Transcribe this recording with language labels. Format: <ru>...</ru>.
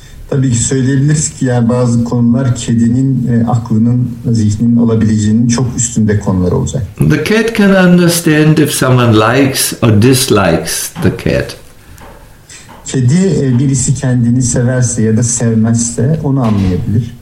<tr>Tabii ki söyleyebiliriz ki, yani bazı konular kedinin aklının, zihninin olabileceğinin çok üstünde konular olacak.</tr> <en>The cat can understand if someone likes or dislikes the cat.</en> <tr>Kedi birisi kendini severse ya da sevmezse onu anlayabilir.</tr>